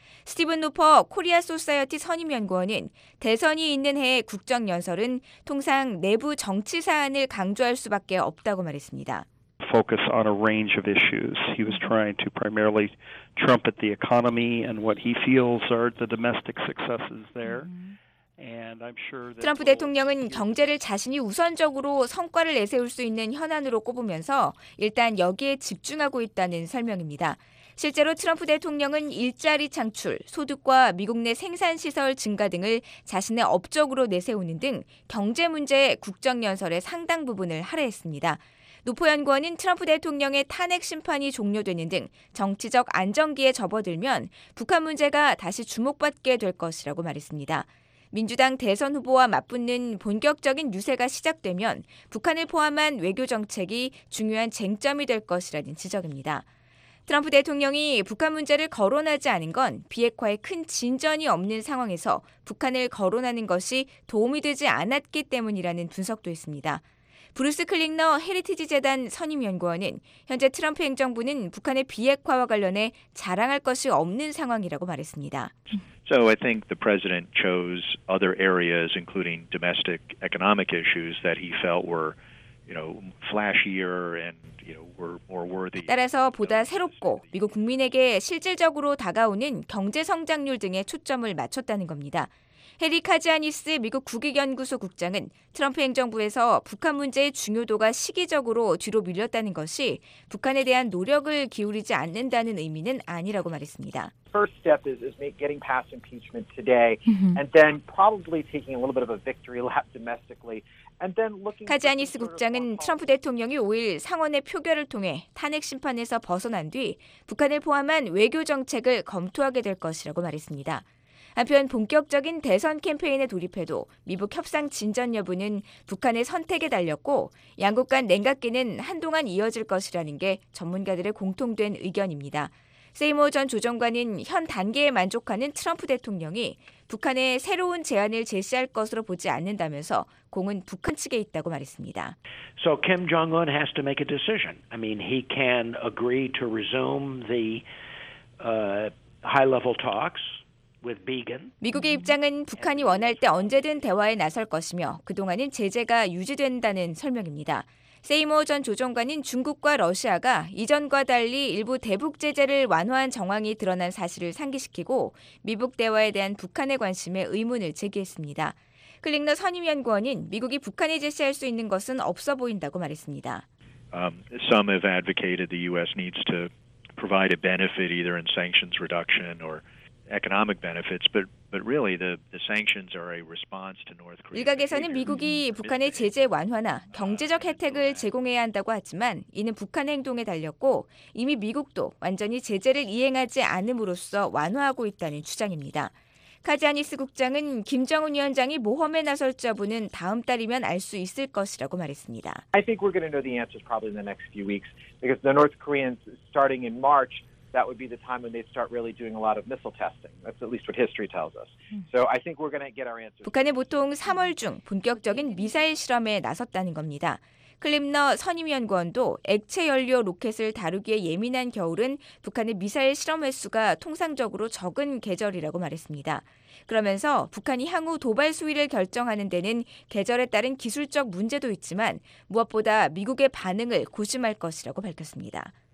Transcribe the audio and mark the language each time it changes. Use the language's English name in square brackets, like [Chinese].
[Korean] 스티븐 노퍼 코리아 소사이어티 선임연구원은 대선이 있는 해의 국정연설은 통상 내부 정치 사안을 강조할 수밖에 없다고 말했습니다. [English] Focus on a range of issues. He was trying to primarily trumpet the economy and what he feels are the domestic successes there. And I'm sure that [Korean] 트럼프 대통령은 경제를 자신이 우선적으로 성과를 내세울 수 있는 현안으로 꼽으면서 일단 여기에 집중하고 있다는 설명입니다. 실제로 트럼프 대통령은 일자리 창출, 소득과 미국 내 생산시설 증가 등을 자신의 업적으로 내세우는 등 경제 문제의 국정연설의 상당 부분을 할애했습니다. 노포 연구원은 트럼프 대통령의 탄핵 심판이 종료되는 등 정치적 안정기에 접어들면 북한 문제가 다시 주목받게 될 것이라고 말했습니다. 민주당 대선 후보와 맞붙는 본격적인 유세가 시작되면 북한을 포함한 외교 정책이 중요한 쟁점이 될 것이라는 지적입니다. 트럼프 대통령이 북한 문제를 거론하지 않은 건 비핵화에 큰 진전이 없는 상황에서 북한을 거론하는 것이 도움이 되지 않았기 때문이라는 분석도 있습니다. 브루스 클링너 헤리티지 재단 선임연구원은 현재 트럼프 행정부는 북한의 비핵화와 관련해 자랑할 것이 없는 상황이라고 말했습니다. [English] So I think the president chose other areas, including domestic economic issues, that he felt were, you know, flashier and, you know, were more worthy. [Korean] 따라서 보다 새롭고 미국 국민에게 실질적으로 다가오는 경제 성장률 등에 초점을 맞췄다는 겁니다. 해리 카지아니스 미국 국익연구소 국장은 트럼프 행정부에서 북한 문제의 중요도가 시기적으로 뒤로 밀렸다는 것이 북한에 대한 노력을 기울이지 않는다는 의미는 아니라고 말했습니다. [English] First step is getting past impeachment today and then probably taking a little bit of a victory lap domestically. [Korean] 카지아니스 국장은 트럼프 대통령이 5일 상원의 표결을 통해 탄핵 심판에서 벗어난 뒤 북한을 포함한 외교 정책을 검토하게 될 것이라고 말했습니다. 한편 본격적인 대선 캠페인에 돌입해도 미북 협상 진전 여부는 북한의 선택에 달렸고 양국 간 냉각기는 한동안 이어질 것이라는 게 전문가들의 공통된 의견입니다. 세이모 전 조정관은 현 단계에 만족하는 트럼프 대통령이 북한에 새로운 제안을 제시할 것으로 보지 않는다면서 공은 북한 측에 있다고 말했습니다. [English] So Kim Jong-un has to make a decision. I mean, he can agree to resume the high-level talks. [Korean] 미국의 입장은 북한이 원할 때 언제든 대화에 나설 것이며 그동안은 제재가 유지된다는 설명입니다. 세이머 전 조정관은 중국과 러시아가 이전과 달리 일부 대북 제재를 완화한 정황이 드러난 사실을 상기시키고 미북 대화에 대한 북한의 관심에 의문을 제기했습니다. 클링너 선임연구원은 미국이 북한에 제시할 수 있는 것은 없어 보인다고 말했습니다. [English] Some have advocated the U.S. needs to provide a benefit either in sanctions reduction or economic benefits, but really the sanctions are a response to North Korea. [Korean] 일각에서는 미국이 북한의 제재 완화나 경제적 혜택을 제공해야 한다고 하지만 이는 북한 행동에 달렸고 이미 미국도 완전히 제재를 이행하지 않음으로써 완화하고 있다는 주장입니다. 카지아니스 국장은 김정은 위원장이 모험에 나설지 여부는 다음 달이면 알 수 있을 것이라고 말했습니다. [English] I think we're going to know the answers probably in the next few weeks because the North Koreans starting in March. That would be the time when they start really doing a lot of missile testing. That's at least what history tells us. So I think we're going to get our answers. [Korean] 북한은 보통 3월 중 본격적인 미사일 실험에 나섰다는 겁니다. 클림너 선임연구원도 액체 연료 로켓을 다루기에 예민한 겨울은 북한의 미사일 실험 횟수가 통상적으로 적은 계절이라고 말했습니다. 그러면서 북한이 향후 도발 수위를 결정하는 데는 계절에 따른 기술적 문제도 있지만 무엇보다 미국의 반응을 고심할 것이라고 밝혔습니다.